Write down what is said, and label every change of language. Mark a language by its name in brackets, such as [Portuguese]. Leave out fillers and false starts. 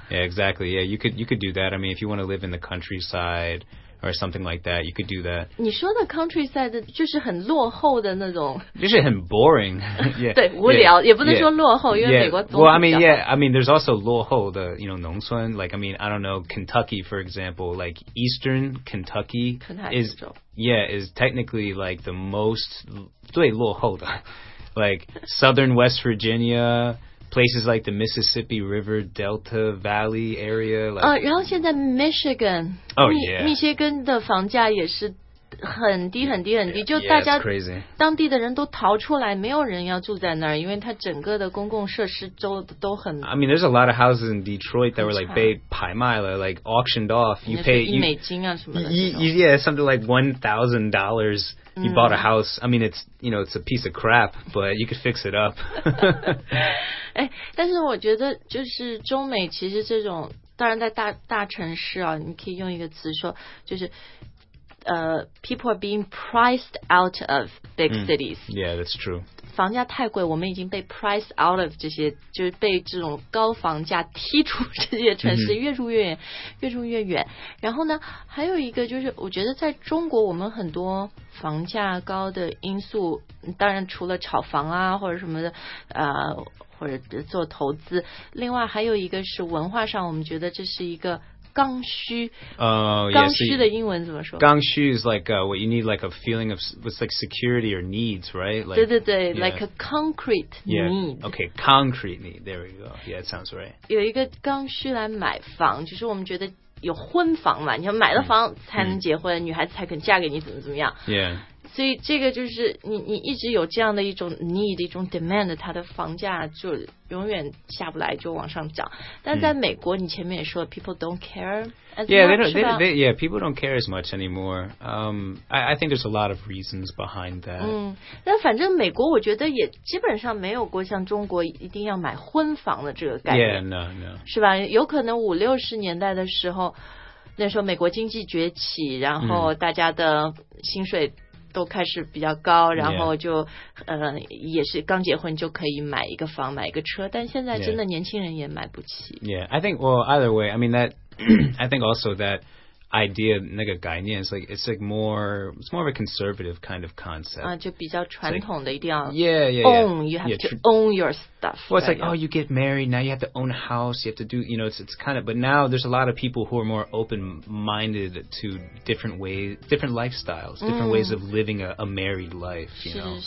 [English] Yeah, exactly, you could do that. I mean if you want to live in the countryside or something like that you could do that. [Chinese] 你说的 countryside 就是很落后的那种，就是很 boring 对无聊也不能说落后因为美国总比较好。 [English] Well, I mean there's also [Chinese] 落后的 [English] you know [Chinese] 农村 [English] like I mean I don't know Kentucky for example like eastern Kentucky is technically like the most [Chinese] 最落后的 [English] like southern West Virginia places like the Mississippi River Delta Valley area. [Chinese] Like, 然后现在 Michigan, 密歇根的房价也是很低很低很低 yeah, 就大家 [English] yeah, it's crazy. [Chinese] 当地的人都逃出来没有人要住在那儿因为它整个的公共设施都很 [English] I mean, there's a lot of houses in Detroit that were like, they [Chinese] 拍卖了 [English] like auctioned off, you pay, [Chinese] 一美金啊什么的 [English] you, yeah, something like $1,000You bought a house. I mean, it's, you know, it's a piece of crap, but you could fix it up. [Chinese] 哎，但是我觉得就是中美其实这种，当然在大城市啊，你可以用一个词说，就是 [English] people are being priced out of big cities. Yeah, that's true. [Chinese] 房价太贵，我们已经被 [English] priced out of [Chinese] 这些，就是被这种高房价踢出这些城市，越住越远，越住越远。然后呢，还有一个就是，我觉得在中国，我们很多房价高的因素，当然除了炒房啊或者什么的，或者做投资，另外还有一个是文化上，我们觉得这是一个。 [English] Gang shu is like what you need like a feeling of it's like security or needs right like, [Chinese] 对对对 [English] yeah. like a concrete need yeah. okay concrete need there we go yeah it sounds right [Chinese] 有一个刚需来买房就是我们觉得有婚房嘛你要买了房才能结婚女孩子才肯嫁给你怎么怎么样 yeah 所以这个就是你一直有这样的一种 need 一种 demand 它的房价就永远下不来就往上涨但在美国你前面也说 [English] people don't care as yeah, much they, yeah people don't care as much anymore I think there's a lot of reasons behind that [Chinese] 但反正美国我觉得也基本上没有过像中国一定要买婚房的这个概念 yeah no 是吧有可能五六十年代的时候那时候美国经济崛起然后大家的薪水都开始比较高然后就、 yeah. 也是刚结婚就可以买一个房买一个车但现在真的年轻人也买不起 [English] Yeah, I think, well, either way, I mean that, I think also that idea, [Chinese] 那个概念 [English] it's more of a conservative kind of concept. [Chinese] 就比较传统的一定要 like, yeah, [English] own, you have yeah, to own your stuff. Well, it's like, oh, you get married, now you have to own a house, you have to do, you know, it's kind of, but now there's a lot of people who are more open-minded to different ways, different lifestyles, different ways of living a married life, you know.